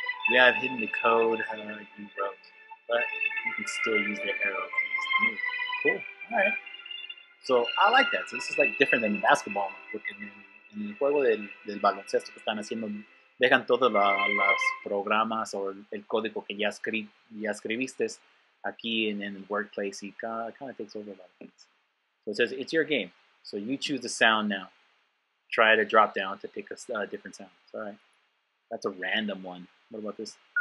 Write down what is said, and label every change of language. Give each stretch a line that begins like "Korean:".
English: Yeah, I've hidden the code you wrote, but you can still use the arrow keys to move. Cool. All right. So I like that. So this is like different than the basketball.
Spanish: En el juego del baloncesto que están haciendo. Dejan todos los programas o el código que ya escribiste aquí
English: in the workplace. It kind of takes over a lot of things. So it says, it's your game. So you choose the sound now. Try to drop down to pick a different sound. All right. That's a random one. What about this?